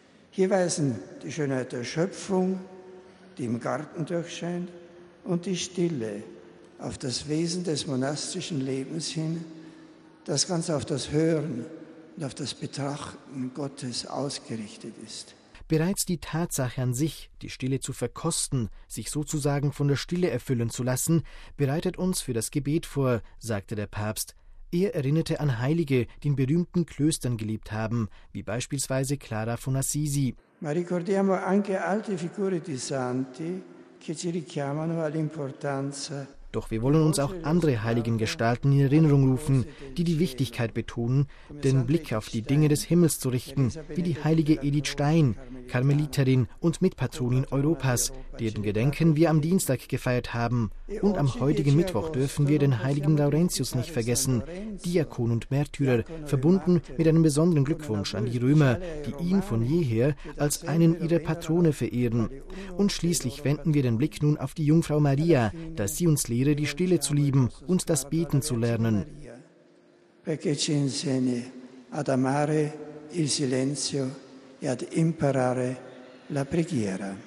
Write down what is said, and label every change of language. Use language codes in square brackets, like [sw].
[de] Hier weisen die Schönheit der Schöpfung, die im Garten durchscheint, und die Stille auf das Wesen des monastischen Lebens hin, das ganz auf das Hören und auf das Betrachten Gottes ausgerichtet ist. Bereits die Tatsache an sich, die Stille zu verkosten, sich sozusagen von der Stille erfüllen zu lassen, bereitet uns für das Gebet vor, sagte der Papst. Er erinnerte an Heilige, die in berühmten Klöstern gelebt haben, wie beispielsweise Clara von Assisi. [it] Ma ricordiamo anche altre figure di santi che ci richiamano all'importanza. [de] Doch wir wollen uns auch andere heiligen Gestalten in Erinnerung rufen, die die Wichtigkeit betonen, den Blick auf die Dinge des Himmels zu richten, wie die heilige Edith Stein, Karmeliterin und Mitpatronin Europas, deren Gedenken wir am Dienstag gefeiert haben. Und am heutigen Mittwoch dürfen wir den heiligen Laurentius nicht vergessen, Diakon und Märtyrer, verbunden mit einem besonderen Glückwunsch an die Römer, die ihn von jeher als einen ihrer Patrone verehren. Und schließlich wenden wir den Blick nun auf die Jungfrau Maria, dass sie uns lehre, die Stille zu lieben und das Beten zu lernen. [it] Perché ci insegni ad amare il silenzio e ad imparare la preghiera.